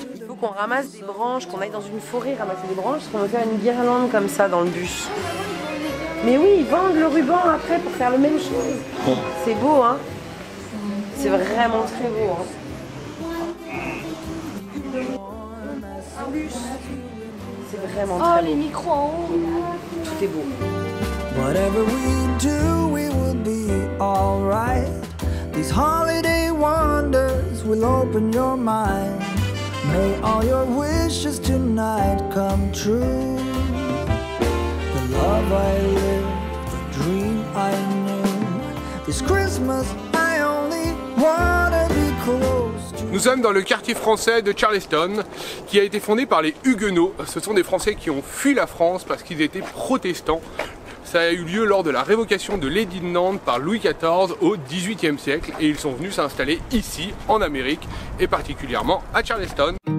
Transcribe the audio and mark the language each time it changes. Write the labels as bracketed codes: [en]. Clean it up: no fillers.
[fr] Il faut qu'on ramasse des branches, qu'on aille dans une forêt ramasser des branches, parce qu'on veut faire une guirlande comme ça dans le bus. Mais oui, ils vendent le ruban après pour faire la même chose. C'est beau, hein? C'est vraiment très beau. Hein. C'est vraiment très beau. Oh, les micros en haut. Tout est beau. [en] Whatever we do, we will be alright. These holiday wonders will open your mind. May all your wishes tonight come true. The love I lived, the dream I knew. This Christmas I only wanna be close to. [fr] Nous sommes dans le quartier français de Charleston, qui a été fondé par les Huguenots. Ce sont des Français qui ont fui la France parce qu'ils étaient protestants. Ça a eu lieu lors de la révocation de l'édit de Nantes par Louis XIV au XVIIIe siècle et ils sont venus s'installer ici, en Amérique, et particulièrement à Charleston.